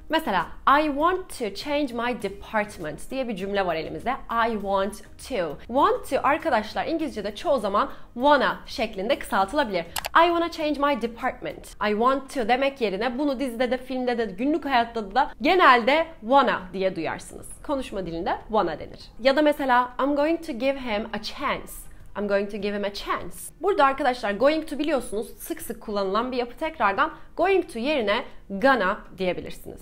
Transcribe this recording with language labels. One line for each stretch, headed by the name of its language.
Turkish: Mesela
English: I want to change my department
Turkish: diye bir cümle var elimizde.
English: I want to.
Turkish: Want to arkadaşlar İngilizce'de çoğu zaman wanna şeklinde kısaltılabilir.
English: I wanna change my department.
Turkish: I want to demek yerine bunu dizide de filmde de günlük hayatta da genelde wanna diye duyarsınız. Konuşma dilinde wanna denir. Ya da mesela
English: I'm going to give him a chance. I'm going to give him a chance.
Turkish: Burada arkadaşlar going to biliyorsunuz sık sık kullanılan bir yapı tekrardan going to yerine gonna diyebilirsiniz.